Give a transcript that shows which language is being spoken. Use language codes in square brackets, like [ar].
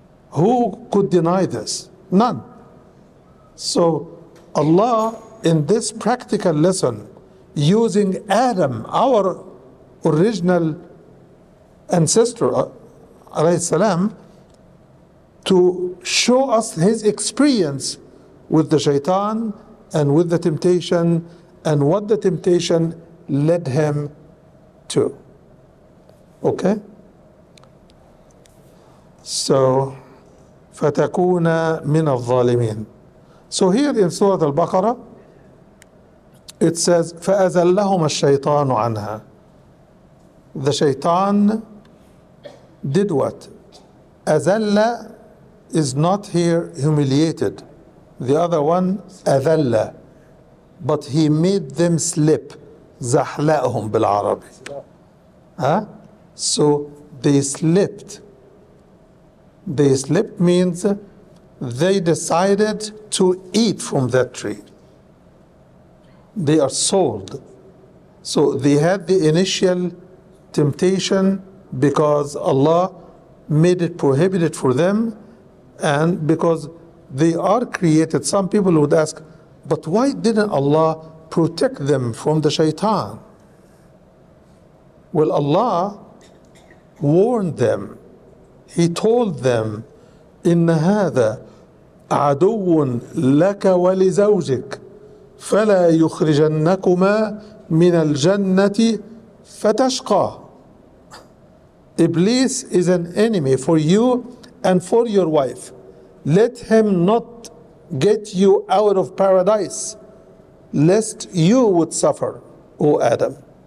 [en] Who could deny this? None. So Allah, in this practical lesson, using Adam, our original ancestor, alayhi salam, to show us his experience with the shaitan and with the temptation, and what the temptation led him to. Okay? [ar] So, فَتَكُونَ مِنَ الظَّالِمِينَ. [en] So here in Surah Al-Baqarah, it says, [ar] فَأَزَلَّهُمَ الشَّيْطَانُ عَنْهَا. [en] The shaitan did what? أَزَلَّ is not here humiliated. The other one, أَذَلَّ. But he made them slip. [ar] زَحْلَأْهُمْ بِالْعَرَبِ. [en] So they slipped. They slipped means they decided to eat from that tree. They are sold. So they had the initial temptation because Allah made it prohibited for them, and because they are created. Some people would ask, but why didn't Allah protect them from the shaitan? Well, Allah warned them. [ar] He told them, إِنَّ هَذَا عَدُوٌ لَكَ وَلِزَوْجِكَ فَلَا يُخْرِجَنَّكُمَا مِنَ الْجَنَّةِ فَتَشْقَى. [en] Iblis is an enemy for you and for your wife. Let him not get you out of paradise, lest you would suffer, O Adam.